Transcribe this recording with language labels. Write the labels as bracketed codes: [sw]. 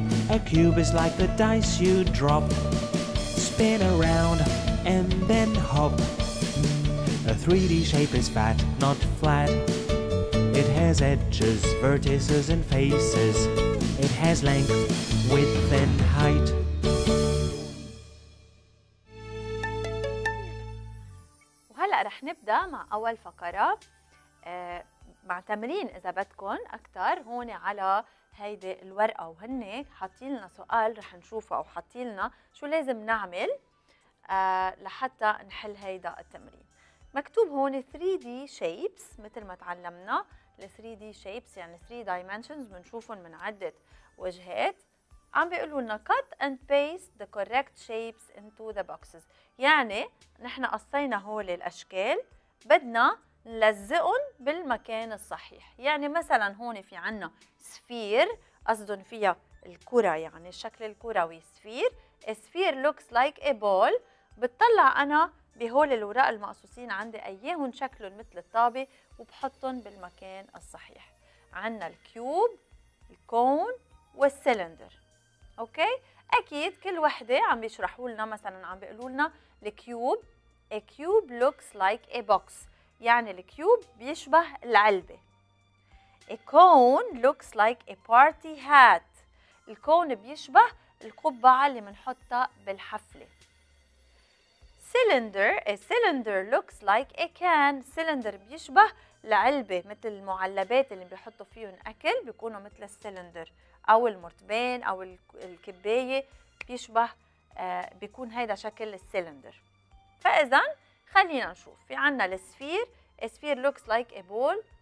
[en] A cube is like the dice you drop. Spin around and then hop. A 3D shape is fat, not flat. It has edges, vertices and faces. It has length, width and height. [ar] وهلأ رح نبدأ مع أول فقرة مع تمرين إذا بدكن أكتر هون على هيدي الورقة، وهن حاطين لنا سؤال رح نشوفه أو حاطين لنا شو لازم نعمل لحتى نحل هيدا التمرين. مكتوب هون 3D shapes، مثل ما تعلمنا ال 3D shapes يعني 3 dimensions بنشوفهم من عدة وجهات. عم بيقولوا لنا [en] cut and paste the correct shapes into the boxes، [ar] يعني نحن قصينا هول الأشكال بدنا نلزقهم بالمكان الصحيح. يعني مثلا هون في عنا سفير قصدهم فيها الكرة، يعني الشكل الكروي سفير. [en] Sphere looks like a ball. [ar] بتطلع أنا بهول الوراق المقصوصين عندي أيهن شكلهم مثل الطابة وبحطهم بالمكان الصحيح. عنا الكيوب، الكون والسيلندر. أوكي؟ أكيد كل وحدة عم بيشرحوا لنا، مثلا عم بيقولوا لنا الكيوب [en] a cube looks like a box، [ar] يعني الكيوب بيشبه العلبة. [en] A cone looks like a party hat. [ar] الكون بيشبه القبعة اللي منحطها بالحفلة. [en] Cylinder. A cylinder looks like a can. [ar] سيلندر بيشبه العلبة، مثل المعلبات اللي بيحطوا فيهم أكل بيكونوا مثل السيلندر، أو المرتبان أو الكباية بيشبه بيكون هيدا شكل السيلندر. فإذا خلينا نشوف، في عنا السفير، السفير [en] looks like a ball.